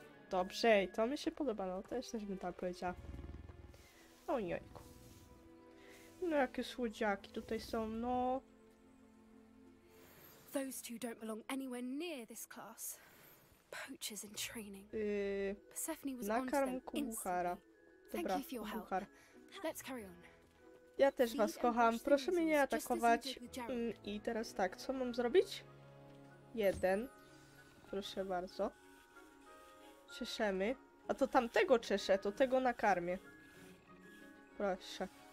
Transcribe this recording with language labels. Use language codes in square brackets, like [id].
[pl] Dobrze, to mi się podoba, no też też bym tak powiedziała. O jajku. No jakie słodziaki tutaj są, no. [en] Those two don't belong anywhere near this class. Poachers in training. Persephone was onto them instantly. Dobra, thank you for your help. Let's carry on. [pl] Ja też was kocham, proszę mnie nie atakować. I teraz tak, co mam zrobić? Jeden. Proszę bardzo. Czeszemy. A to tamtego czeszę, to tego nakarmię. Proszę.